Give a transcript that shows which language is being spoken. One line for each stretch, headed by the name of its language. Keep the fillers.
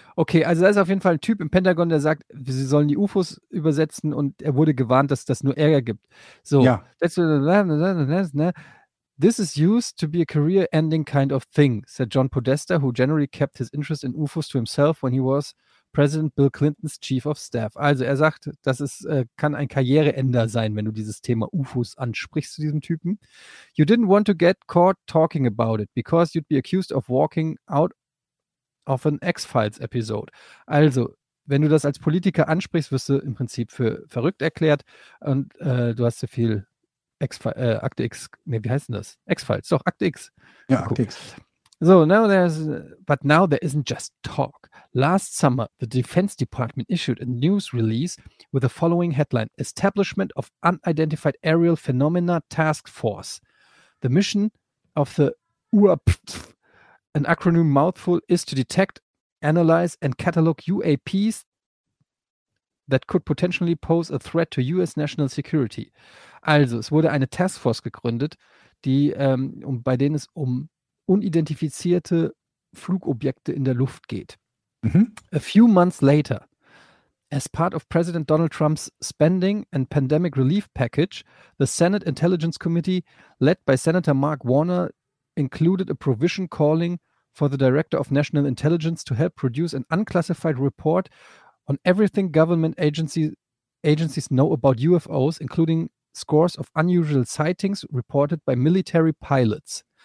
German: Okay, also da ist auf jeden Fall ein Typ im Pentagon, der sagt, sie sollen die UFOs übersetzen und er wurde gewarnt, dass das nur Ärger gibt. So, ja.
English: that's what,
German: ne?
English: this is used to be a career-ending kind of thing, said John Podesta, who generally kept his interest in UFOs to himself when he was.
German: Präsident Bill Clintons Chief of Staff. Also er sagt, das ist, äh, kann ein Karriereender sein, wenn du dieses Thema UFOs ansprichst zu diesem Typen.
English: You didn't want to get caught talking about it, because you'd be accused of walking out of an X-Files-Episode.
German: Also, wenn du das als Politiker ansprichst, wirst du im Prinzip für verrückt erklärt und äh, du hast ja so viel X-Files, äh, Akte X, nee, wie heißt denn das? X-Files, doch, Akte X. Ja, cool. Akte X.
English: So, now there's, uh, but now there isn't just talk. Last summer, the Defense Department issued a news release with the following headline Establishment of Unidentified Aerial Phenomena Task Force. The mission of the UAP, an acronym mouthful, is to detect, analyze, and catalog UAPs that could potentially pose a threat to US national security.
German: Also, es wurde eine Taskforce gegründet, die, um, um bei denen es um unidentifizierte Flugobjekte in der Luft geht.
English: Mm -hmm. A few months later, as part of President Donald Trump's spending and pandemic relief package, the Senate Intelligence Committee, led by Senator Mark Warner, included a provision calling for the Director of National Intelligence to help produce an unclassified report on everything government agency, agencies know about UFOs, including scores of unusual sightings reported by military pilots.